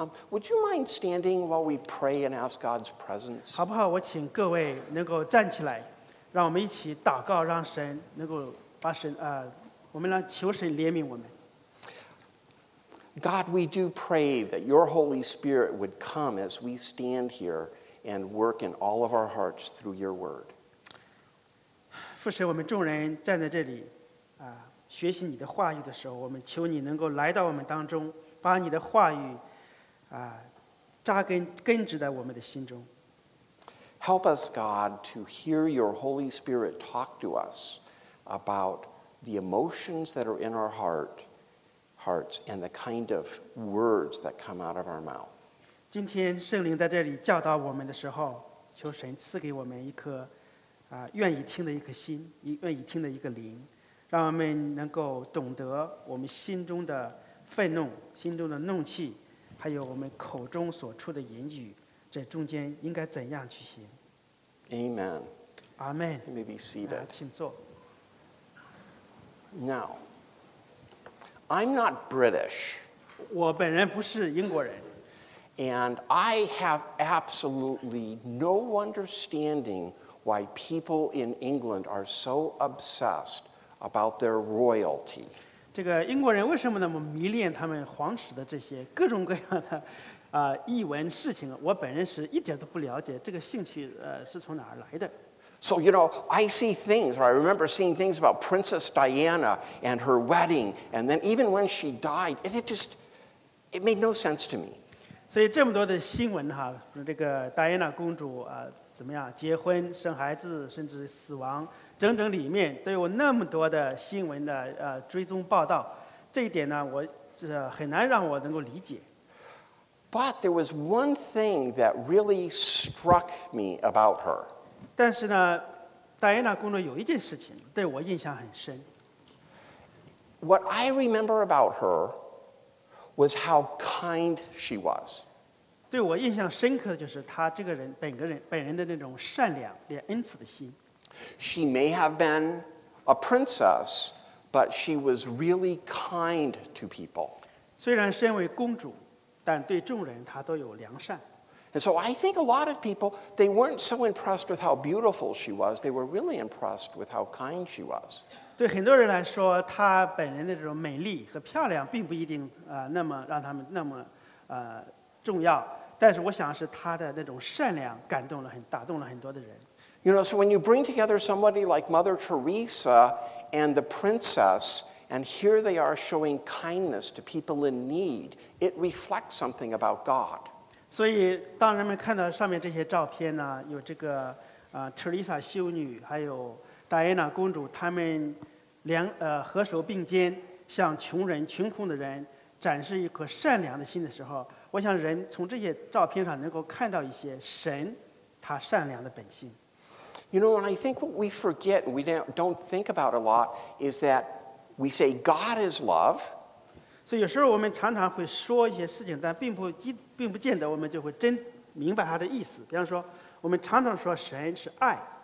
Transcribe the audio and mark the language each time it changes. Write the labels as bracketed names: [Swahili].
[English] Would you mind standing while we pray and ask God's presence? [Chinese] 好不好？我请各位能够站起来，让我们一起祷告，让神能够把神我们来求神怜悯我们。 [English] God, we do pray that Your Holy Spirit would come as we stand here and work in all of our hearts through Your Word. [Chinese] 父神，我们众人站在这里学习你的话语的时候，我们求你能够来到我们当中，把你的话语。扎根根植在我们的心中。 [English] Help us, God, to hear Your Holy Spirit talk to us about the emotions that are in our hearts, and the kind of words that come out of our mouth. [Chinese] 今天圣灵在这里教导我们的时候，求神赐给我们一颗愿意听的一颗心，愿意听的一个灵，让我们能够懂得我们心中的愤怒，心中的怒气。还有我们口中所出的言语，这中间应该怎样去行 [English] ？Amen. Amen. You may be seated. [Chinese] 请坐。 [English] Now, I'm not British. [Chinese] 我本人不是英国人。 [English] And I have absolutely no understanding why people in England are so obsessed about their royalty. [Chinese] 这个英国人为什么那么迷恋他们皇室的这些各种各样的逸闻事情，我本人是一点都不了解这个兴趣是从哪儿来的。 [English] So, you know, I see things, or I remember seeing things about Princess Diana and her wedding, and then even when she died, it made no sense to me. [Chinese] 所以这么多的新闻哈，这个戴安娜公主怎么样结婚、生孩子，甚至死亡，整整里面都有那么多的新闻的追踪报道，这一点呢，我很难让我能够理解。 [English] But there was one thing that really struck me about her. [Chinese] 但是呢，戴安娜公主有一件事情对我印象很深。 [English] What I remember about her was how kind she was. [Chinese] 对我印象深刻的就是她这个人本人的那种善良、恩慈的心。 [English] She may have been a princess, but she was really kind to people. [Chinese] 虽然身为公主，但对众人她都有良善。 [English] And so I think a lot of people, they weren't so impressed with how beautiful she was, they were really impressed with how kind she was. [Chinese] 对很多人来说，她本人的这种美丽和漂亮并不一定那么让他们那么重要，但是我想是她的那种善良感动了很打动了很多的人。 [English] You know, so when you bring together somebody like Mother Teresa and the princess, and here they are showing kindness to people in need, it reflects something about God. [Chinese] 所以当人们看到上面这些照片呢，有这个特丽莎修女还有戴安娜公主，他们合手并肩向穷人穷困的人展示一颗善良的心的时候，我想人从这些照片上能够看到一些神他善良的本性。 [English] You know, and I think what we forget, we don't think about a lot, is that we say God is love. [Chinese] 所以有时候我们常常会说一些事情，但并不见得我们就会真明白他的意思。比方说，我们常常说神是爱。